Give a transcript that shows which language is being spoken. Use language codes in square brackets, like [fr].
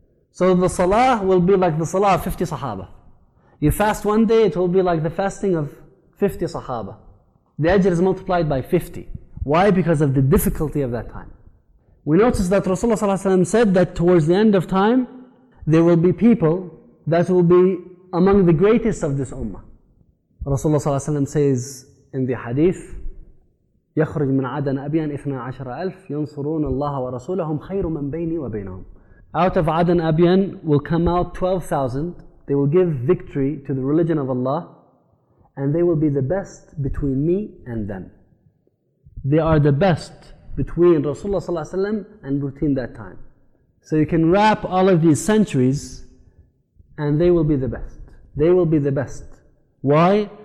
[en] So the salah will be like the salah of 50 Sahaba. You fast one day, it will be like the fasting of 50 Sahaba. The ajr is multiplied by 50. Why? Because of the difficulty of that time. We notice that Rasulullah ﷺ said that towards the end of time, there will be people that will be among the greatest of this ummah. Rasulullah ﷺ says in the hadith, [ar] يَخْرُجْ مِنْ عَدَنَ أَبِيًا 12,000 يَنْصُرُونَ اللَّهَ وَرَسُولَهُمْ خَيْرٌ مَنْ بَيْنِي وَبَيْنَهُمْ. [en] Out of Adan Abiyan will come out 12,000. They will give victory to the religion of Allah, and they will be the best between me and them. They are the best between Rasulullah ﷺ and between that time. So you can wrap all of these centuries, and they will be the best. They will be the best. Why?